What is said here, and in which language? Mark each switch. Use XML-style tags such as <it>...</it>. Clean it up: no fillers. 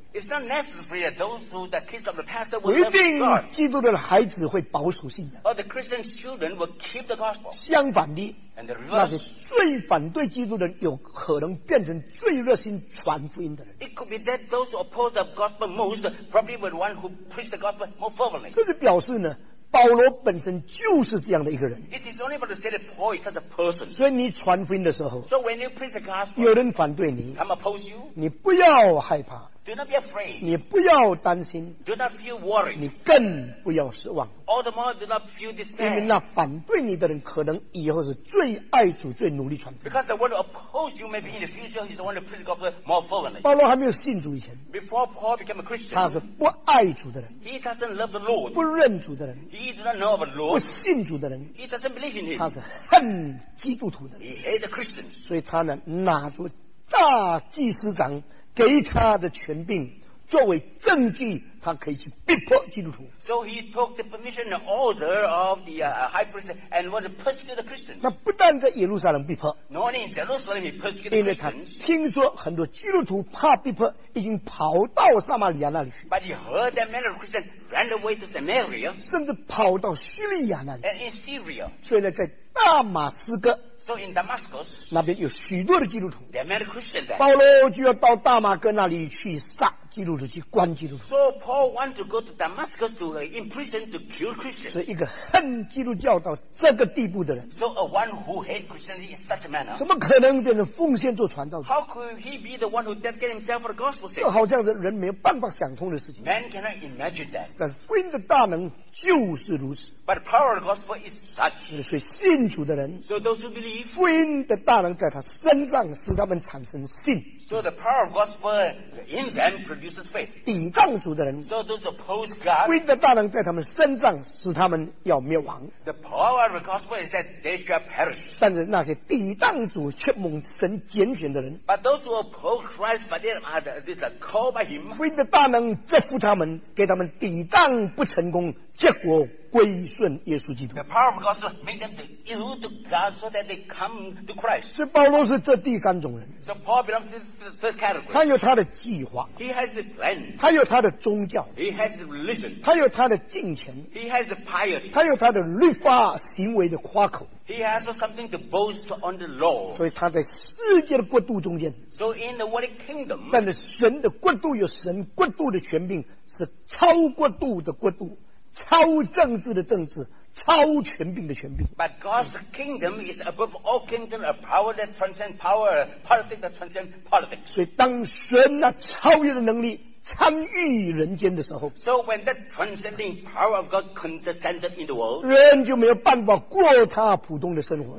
<en>It's not necessary that those who the kids of the pastor will love God.</en> <zh>一定基督的孩子会保守信仰。</zh> <en>Or the Christian children will keep the gospel.</en> <zh>相反的。</zh> <en>And the reverse.</en> <zh>那些最反对基督的人有可能变成最热心传福音的人。</zh> <en>It could be that those who oppose the gospel most probably were the one who preach the gospel more fervently.</en> <zh>这是表示呢。保罗本身就是这样的一个人。</zh> <en>It is only about to say that Paul is such a person.</en> <zh>所以你传福音的时候。</zh> <en>So when you preach the gospel.</en> <zh>有人反对你。</zh> <en>Some oppose you.</en> <zh>你不要害怕。</zh> <en>Do not be afraid.</en> <zh>你不要担心。</zh> <en>Do not feel worried.</en> <zh>你更不要失望。</zh> <en>All the more do not feel despair.</en> <zh>因为那反对你的人可能以后是最爱主最努力传福音。</zh> <en>Because the one who opposes you maybe in the future is the one who preaches the gospel more fervently.</en> <zh>保罗还没有信主以前。</zh> <en>Before Paul became a Christian.</en> <zh>他是不爱主的人。</zh> <en>He doesn't love the Lord.</en> <zh>不认主的人。</zh> <en>He does not know of the Lord.</en> <zh>不信主的人。</zh> <en>He doesn't believe in him.</en> <zh>他是恨基督徒的人。</zh> <en>He hates Christians.</en> <zh>所以他呢拿着大祭司长给他的权柄作为证据他可以去逼迫基督徒</zh> <en>So he took the permission and order of the high priest and was persecuted the Christians</en> <zh>那不但在耶路撒冷逼迫</zh> <en>Not only in Jerusalem he persecuted the Christians</en> <zh>因为他听说很多基督徒怕逼迫已经跑到撒玛利亚那里去</zh> <en>But he heard that many Christians ran away to Samaria,</en> <zh>甚至跑到叙利亚那里。</zh> <en>And in Syria,</en> <zh>所以呢，在大马斯哥。</zh> <en>So in Damascus,</en> <zh>那边有许多的基督徒。</zh> <en>There are many Christians there.</en> <zh>保罗就要到大马哥那里去杀基督徒，去关基督徒。</zh> <en>So Paul wants to go to Damascus to imprison to kill Christians.</en> <zh>是一个恨基督教到这个地步的人。</zh> <en>So a one who hates Christianity in such a manner.</en> <zh>怎么可能变成奉献做传道者</zh> <en>？How could he be the one who dedicated himself for the gospel's sake?</en> <zh>这好像是人没有办法想通的事情。</zh> <en>Man cannot imagine that.</en> <zh>但福音的大能就是如此。</zh> <en>But the power of the gospel is such.</en> <zh>所以信主的人。</zh> <en>So those who believe.</en> <zh>福音的大能在他身上使他们产生信</zh> <en>so the power of gospel in them produces faith</en> <zh>抵抗主的人</zh> <en>so those oppose God</en> <zh>福音的大能在他们身上使他们要灭亡</zh> <en>the power of the gospel is that they shall perish</en> <zh>但是那些抵抗主却蒙神拣选的人</zh> <en>but those who oppose Christ but they are called by him</en> <zh>福音的大能祝福他们给他们抵抗不成功结果归顺耶稣基督</zh> <en>The power of gospel made them to yield to God so that they come to Christ</en> <zh>所以保罗是这第三种人</zh> <en>So Paul belongs to the third category</en> <zh>他有他的计划</zh> <en>He has a plan</en> <zh>他有他的宗教</zh> <en>He has a religion</en> <zh>他有他的敬虔</zh> <en>He has a piety</en> <zh>他有他的律法行为的夸口</zh> <en>He has something to boast on the law</en> <zh>所以他在世界的国度中间</zh> <en>So in the world kingdom</en> <zh>但是神的国度有神国度的权柄是超国度的国度超政治的政治超权柄的权柄</zh> <en>But God's kingdom is above all kingdom a power that transcends power politics that transcends politics</en> <zh>所以当神那超越的能力参与人间的时候</zh> <en>So when that transcending power of God condescended in the world</en> <zh>人就没有办法过他普通的生活</zh>